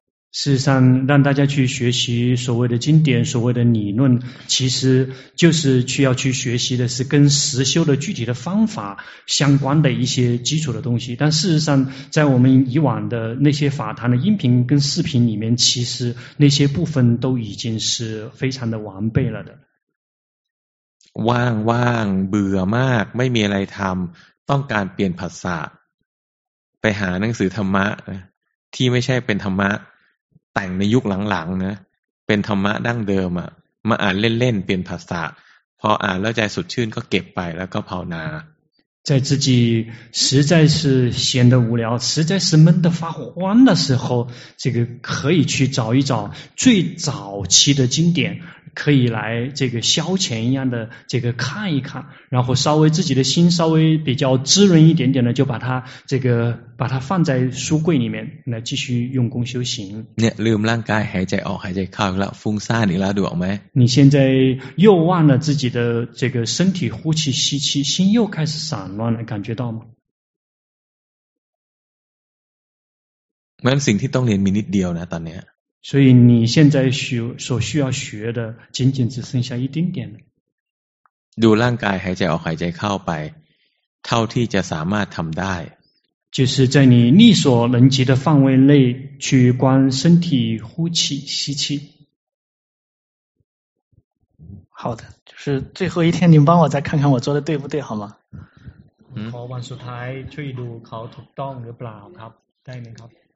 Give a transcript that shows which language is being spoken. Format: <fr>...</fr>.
<zh>事实上让大家去学习所谓的经典所谓的理论其实就是去要去学习的是跟实修的具体的方法相关的一些基础的东西但事实上在我们以往的那些法坛的音频跟视频里面其实那些部分都已经是非常的完备了的</zh> <th>ว่างว่างเบื่อมากไม่มีอะไรทำต้องการเปลี่ยนภาษาไปหาหนังสือธรรมะที่ไม่ใช่เป็นธรรมะแต่งในยุคหลังๆนะเป็นธรรมะดั้งเดิมอ่ะมาอ่านเล่นๆเปลี่ยนภาษาพออ่านแล้วใจสดชื่นก็เก็บไปแล้วก็ภาวนา</th> <zh>在自己实在是闲得无聊实在是闷得发慌的时候这个可以去找一找最早期的经典可以来这个消遣一样的这个看一看然后稍微自己的心稍微比较滋润一点点的就把它这个把它放在书柜里面来继续用功修行</zh> <th>你ลืมร่างกายหายใจออกหายใจเข้าแล้วฟุ้งซ่านอีกแล้วดูออกไหม</th> <zh>你现在又忘了自己的这个身体呼气吸气心又开始散乱了感觉到吗</zh> <th>那สิ่งที่ต้องเรียนมีนิดเดียวนะตอนนี้</th> <zh>所以你现在所需要学的仅仅只剩下一丁点</zh> <th>ดูร่างกายหายใจออกหายใจเข้าไปเท่าที่จะสามารถทำได้</th> <zh>就是在你力所能及的范围内去观身体呼气吸气好的就是最后一天你帮我再看看我做的对不对好吗</zh> <th>ขอวันสุดท้ายช่วยดูเขาถูกต้องหรือเปล่าครับได้ไหมครับ</th>